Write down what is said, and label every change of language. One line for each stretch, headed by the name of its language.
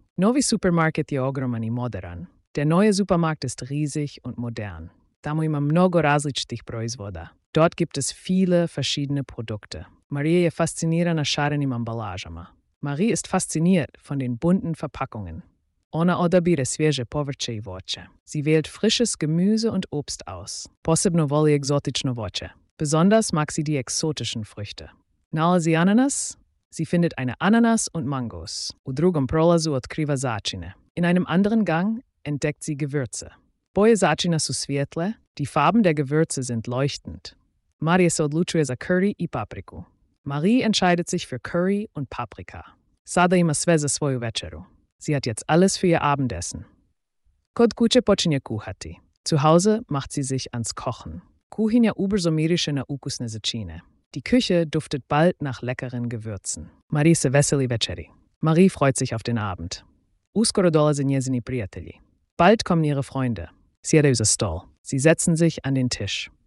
Croatian: Novi Supermarket je ogroman i modern.
German: Der neue Supermarkt ist riesig und modern.
Croatian: Tamo ima mnogo različitih proizvoda.
German: Dort gibt es viele verschiedene Produkte.
Croatian: Marija je fascinirana šarenim ambalažama.
German: Marija ist fasziniert von den bunten Verpackungen.
Croatian: Ona odabire svježe povrće i voće.
German: Sie wählt frisches Gemüse und Obst aus.
Croatian: Posebno voli egzotično voće.
German: Besonders mag sie die exotischen Früchte.
Croatian: Nalazi sie Ananas?
German: Sie findet eine Ananas und Mangos.
Croatian: U drugom prolazu otkriva začine.
German: In einem anderen Gang entdeckt sie Gewürze.
Croatian: Boje začina su svjetle.
German: Die Farben der Gewürze sind leuchtend.
Croatian: Marija se odlučuje za curry i papriku.
German: Marija entscheidet sich für curry und paprika.
Croatian: Sada ima sve za svoju večeru.
German: Sie hat jetzt alles für ihr Abendessen.
Croatian: Kod kuće počinje kuhati.
German: Zu Hause macht sie sich ans Kochen.
Croatian: Kuhinja ubrzo miriše na ukusne začine.
German: Die Küche duftet bald nach leckeren Gewürzen.
Croatian: Marija se veseli večeri.
German: Marija freut sich auf den Abend.
Croatian: Uskoro dolaze njezini prijatelji.
German: Bald kommen ihre Freunde.
Croatian: Sjedaju za stol.
German: Sie setzen sich an den Tisch.